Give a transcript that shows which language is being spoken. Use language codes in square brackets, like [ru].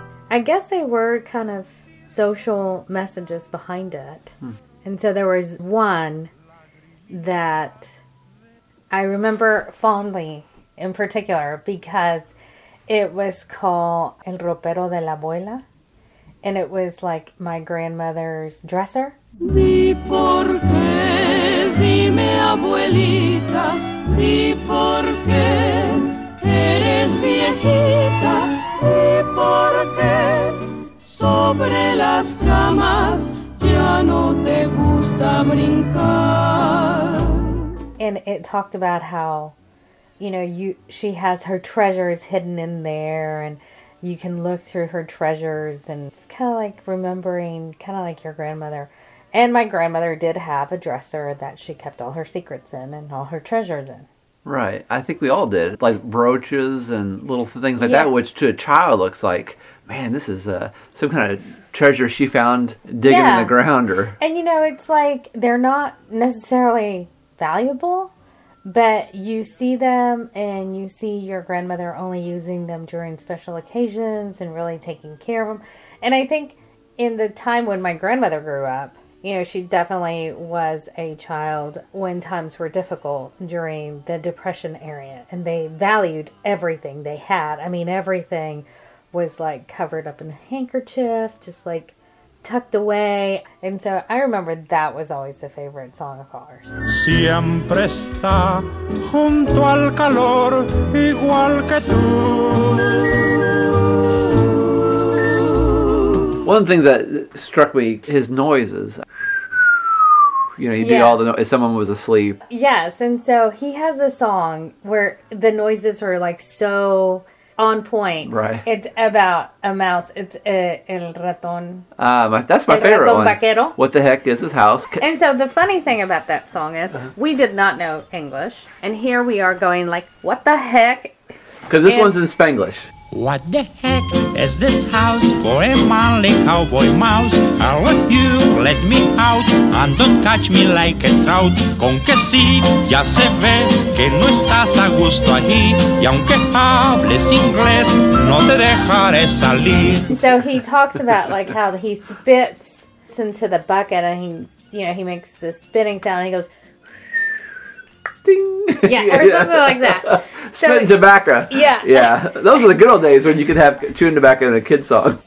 [en] I guess they were kind of social messages behind it. And so there was one that I remember fondly in particular because it was called El Ropero de la Abuela. And it was like my grandmother's dresser. [es] Di por qué, dime abuelita, di por qué, eres viejita, di por qué, sobre las camas, ya no te gusta brincar. [en] And it talked about how, you know, she has her treasures hidden in there, and you can look through her treasures, and it's kind of like remembering, kind of like your grandmother. And my grandmother did have a dresser that she kept all her secrets in and all her treasures in. Right. I think we all did. Like brooches and little things like that, which to a child looks like, man, this is some kind of treasure she found digging in the ground. And you know, it's like they're not necessarily valuable, but you see them and you see your grandmother only using them during special occasions and really taking care of them. And I think in the time when my grandmother grew up, you know, she definitely was a child when times were difficult during the Depression era, and they valued everything they had. I mean, everything was like covered up in a handkerchief, just like tucked away. And so I remember that was always a favorite song of ours. [es] Siempre está junto al calor, igual que tú. [en] One of the things that struck me, his noises. You know, you do all the noise if someone was asleep. Yes, and so he has a song where the noises are like so on point. Right. It's about a mouse. It's el ratón. That's my favorite [es] ratón Vaquero. [en] What the heck is his house? And so the funny thing about that song is we did not know English. And here we are going like, what the heck? Because this one's in Spanglish. What the heck is this house for a manly cowboy mouse? I want you, let me out, and don't touch me like a trout. [es] Con que sí, ya se ve que no estás a gusto allí. Y aunque hables inglés, no te dejaré salir. [en] So he talks about like how he spits into the bucket and he, you know, he makes the spitting sound and he goes, ding. Yeah, something like that. Spitting tobacco. Yeah. Those are the good old days when you could have chewing tobacco in a kid's song.